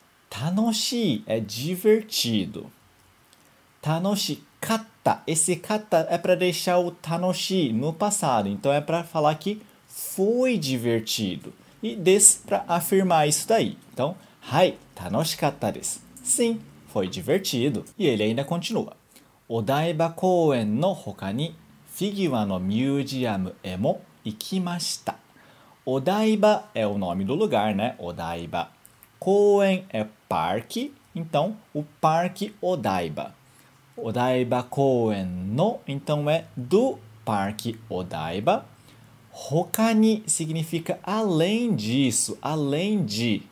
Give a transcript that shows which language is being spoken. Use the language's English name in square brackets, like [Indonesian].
[Portuguese] Tanoshi é divertido. Tanoshikatta. Esse kata é para deixar o tanoshi no passado. Então, é para falar que foi divertido. E desu para afirmar isso daí. Então, [Japanese] はい、楽しかったです。 [Portuguese] Sim, foi divertido. E ele ainda continua. [Japanese] お台場公園の他にフィギュアのミュージアムへも行きました。 [Portuguese] お台場 é o nome do lugar, né? お台場。公園 é parque. Então, o parque Odaiba. O Daiba Koen no, então é do parque Odaiba. Hokani significa além disso, além de.